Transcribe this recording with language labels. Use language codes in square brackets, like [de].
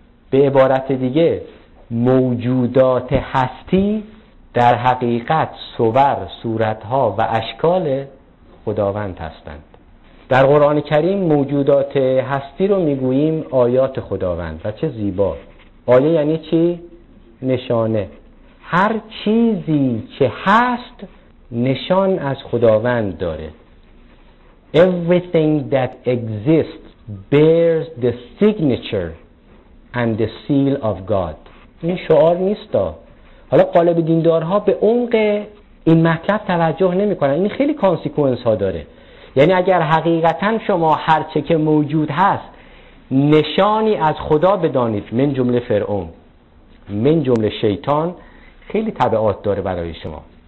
[fa] به عبارت دیگه موجودات هستی در حقیقت صور، صورتها و اشکال خداوند هستند. در قرآن کریم موجودات هستی رو میگوییم آیات خداوند، و چه زیبا. آیه یعنی چی؟ نشانه. هر چیزی که هست نشان از خداوند داره. [en] Everything that exists bears the signature and the seal of God. [fa] این شعار نیست دا. حالا قالب دیندارها به عمق این مطلب توجه نمی کنن. این خیلی کانسیکونس ها داره. یعنی اگر حقیقتا شما هرچه که موجود هست نشانی از خدا بدانید، من جمله فرعون، من جمله شیطان، خیلی تبعات داره برای شما.